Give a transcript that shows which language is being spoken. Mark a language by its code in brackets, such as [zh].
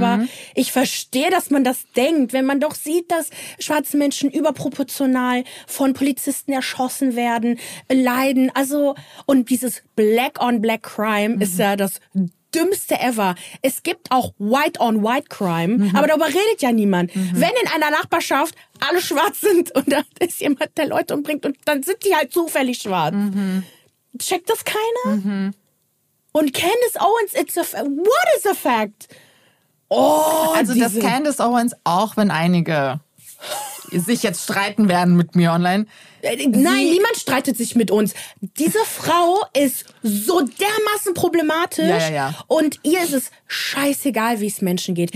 [de] aber ich verstehe, dass man das denkt, wenn man doch sieht, dass schwarze Menschen überproportional von Polizisten erschossen werden, leiden, also und dieses Black-on-Black-Crime mhm. ist ja das Dümmste ever. Es gibt auch White-on-White-Crime, mhm. aber darüber redet ja niemand. Mhm. Wenn in einer Nachbarschaft alle schwarz sind und da ist jemand, der Leute umbringt und dann sind die halt zufällig schwarz, mhm. checkt das keiner? Mhm. Und Candace Owens, [en] what is a fact? [de] Oh, also, dass Candace Owens, auch wenn einige sich jetzt streiten werden mit mir online. Nein, niemand streitet sich mit uns. Diese Frau ist so dermaßen problematisch. Ja, ja, ja. Und ihr ist es scheißegal, wie es Menschen geht.